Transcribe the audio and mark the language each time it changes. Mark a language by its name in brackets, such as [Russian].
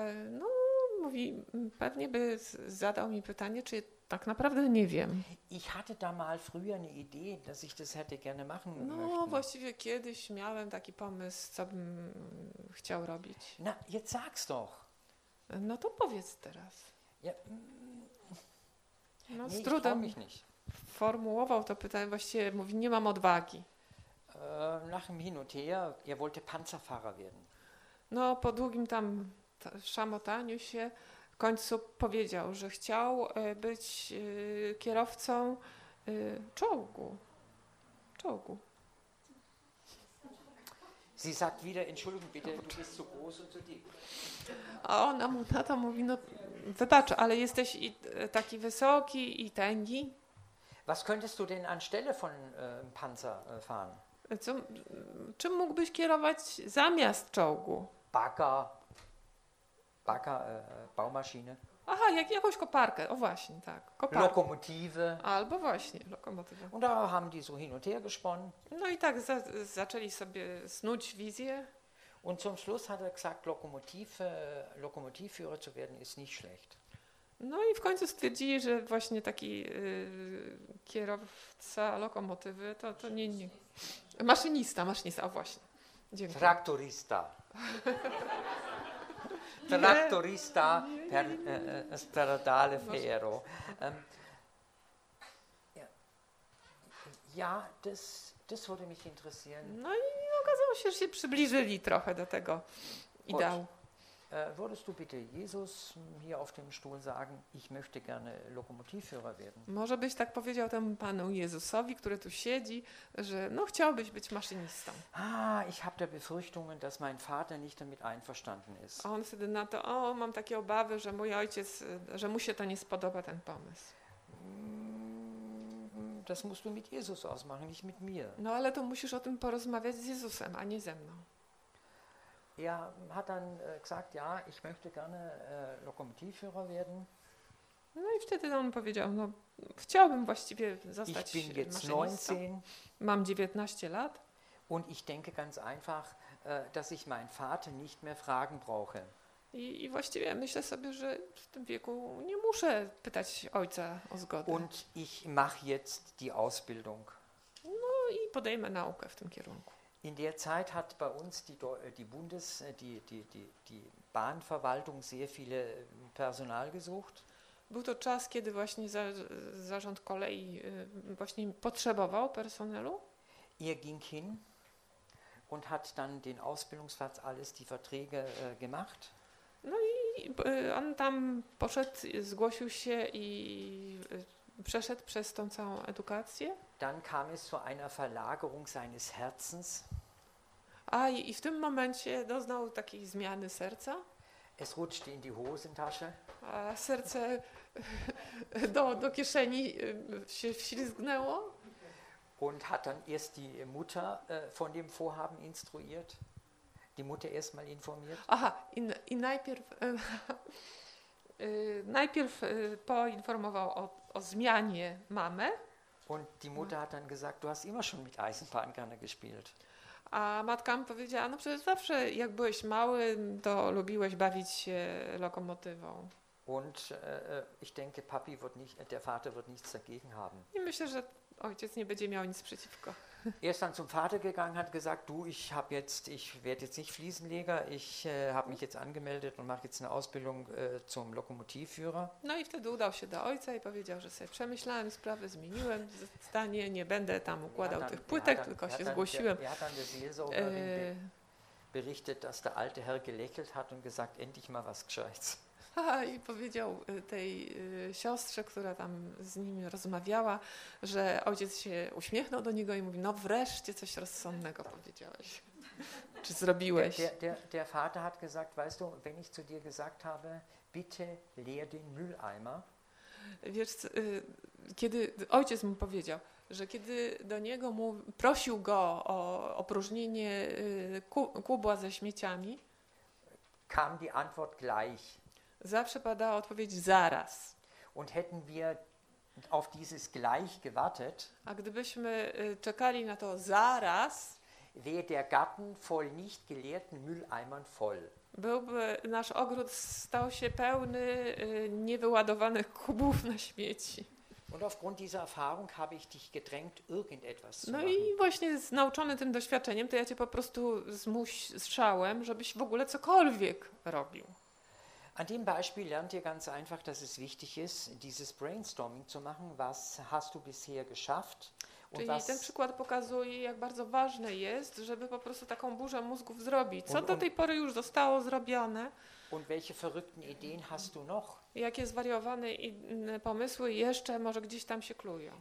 [Polish] No, mówi, pewnie by zadał mi pytanie, czy tak naprawdę nie wiem. [German] Ich hatte da mal früher eine Idee, dass ich das hätte gerne machen no, möchten. [Polish] Właściwie kiedyś miałem taki pomysł, co bym chciał robić. [German] Na, jetzt sag's doch. [Polish] No to powiedz teraz. [German] Ja. [Polish] No, nee, z trudem [German] ich nicht. [Polish] Formułował to pytanie, właściwie mówi, nie mam odwagi. [German] Nach dem hin und her, er wollte Panzerfahrer werden. [Polish] No, po długim tam szamotaniu się w końcu powiedział, że chciał być kierowcą czołgu. Czołgu. [German] Sie sagt wieder, entschuldigung bitte, du bist zu groß und zu dick. [Polish] A ona mu na to mówi, no wybacz, ale jesteś i taki wysoki i tęgi. [German] Was könntest du denn anstelle von Panzer fahren? [Polish] Co, czym mógłbyś kierować zamiast czołgu? [German] Bagger. Bagger, Baumaschine. [Polish] Aha, jakąś koparkę. O właśnie, tak. Koparkę. [German] Lokomotive. [Polish] Albo właśnie, lokomotywę. [German] Und da haben die so hin und her gesponnen. [Polish] No i tak zaczęli sobie snuć wizję. [German] Und zum Schluss hat er gesagt, Lokomotivführer zu werden ist nicht schlecht. [Polish] No i w końcu stwierdzili, że właśnie taki kierowca lokomotywy to nie, nie. Maszynista, o właśnie. Dziękuję. Traktorista. [Italian] Traktorista per stradale ferro. [German] Ja, das würde mich interessieren. [Polish] No i okazało się, że się przybliżyli trochę do tego ideału. [German] Würdest du bitte Jesus hier auf dem Stuhl sagen, ich möchte gerne Lokomotivführer werden? [Polish] Może byś tak powiedział temu panu Jezusowi, który tu siedzi, że no chciałbyś być maszynistą. [German] Ah, ich habe da Befürchtungen, dass mein Vater nicht damit einverstanden ist. [Polish] A on wtedy na to, o, mam takie obawy, że mój ojciec, że mu się to nie spodoba, ten pomysł. [German] Das musst du mit Jesus ausmachen, nicht mit mir. [Polish] No ale to musisz o tym porozmawiać z Jezusem, a nie ze mną. [German] Er hat dann gesagt, ja, ich möchte gerne Lokomotivführer werden. [Polish] No i wtedy on powiedział, no chciałbym właściwie zostać maszynistą. [German] Ich bin jetzt 19. [Polish] Mam 19 lat. [German] Und ich denke ganz einfach, dass ich meinen Vater nicht mehr fragen brauche. [Polish] I właściwie myślę sobie, że w tym wieku nie muszę pytać ojca o zgodę. [German] Und ich mach jetzt die Ausbildung. [Polish] No i podejmę naukę w tym kierunku. [German] In der Zeit hat bei uns die Bahnverwaltung sehr viele Personal gesucht. [Polish] Był to czas, kiedy właśnie zarząd kolei właśnie potrzebował personelu. [German] Er ging hin und hat dann den Ausbildungsplatz, alles die Verträge gemacht. [Polish] No i on tam poszedł, zgłosił się i przeszedł przez tą całą edukację. [German] Dann kam es zu einer Verlagerung seines Herzens. [Polish] A i w tym momencie doznał takiej zmiany serca. [German] Es rutschte in die Hosentasche. [Polish] A serce do kieszeni się wślizgnęło. [German] Und hat dann erst die Mutter von dem Vorhaben instruiert. Die Mutter erst mal informiert. [Polish] Aha, i najpierw najpierw poinformował o zmianie mamę. [German] Und die Mutter hat dann gesagt, du hast immer schon mit Eisenbahn gerne gespielt. [Polish] A matka mi powiedziała, no przecież zawsze, jak byłeś mały, to lubiłeś bawić się lokomotywą. [German] Und ich denke, papi wird nicht, der Vater wird nichts dagegen haben. [Polish] I myślę, że ojciec nie będzie miał nic przeciwko. [German] Er ist dann zum Vater gegangen, hat gesagt, du, ich werde jetzt nicht Fliesenleger, ich habe mich jetzt angemeldet und mache jetzt eine Ausbildung zum Lokomotivführer. [Polish] No i wtedy udał się do ojca i powiedział, że sobie przemyślałem sprawę, zmieniłem zdanie, nie będę tam układał tych płytek, tylko się zgłosiłem. [German] Er hat dann der Seelsorgerin berichtet, dass der alte Herr gelächelt hat und gesagt, endlich mal was Gescheites. [Polish] I powiedział tej siostrze, która tam z nim rozmawiała, że ojciec się uśmiechnął do niego i mówi, no wreszcie coś rozsądnego powiedziałeś, czy zrobiłeś. [German] Der Vater hat gesagt, weißt du, wenn ich zu dir gesagt habe, bitte leer den Mülleimer. [Polish] Wiesz, kiedy ojciec mu powiedział, że kiedy do niego prosił go o opróżnienie kubła ze śmieciami, [German] kam die Antwort gleich. [Polish] Zawsze padała odpowiedź zaraz. [German] Und hätten wir auf dieses gleich gewartet, [Polish] a gdybyśmy czekali na to zaraz, [German] wäre der Garten voll nicht geleerten Mülleimern voll. [Polish] Byłby nasz ogród stał się pełny niewyładowanych kubów na śmieci. [German] Und aufgrund dieser Erfahrung habe ich dich gedrängt, irgendetwas zu machen. [Polish] No i właśnie nauczony tym doświadczeniem, to ja cię po prostu zmuszałem, żebyś w ogóle cokolwiek robił. [German] An dem Beispiel lernt ihr ganz einfach, dass es wichtig ist, dieses Brainstorming zu machen. Was hast du bisher geschafft? [Polish] Czyli ten przykład pokazuje, jak bardzo ważne jest, żeby po prostu taką burzę mózgów zrobić. Co do tej pory już zostało zrobione? [German] Und welche verrückten Ideen hast du noch? [Polish] Jakie zwariowane pomysły jeszcze może gdzieś tam się klują?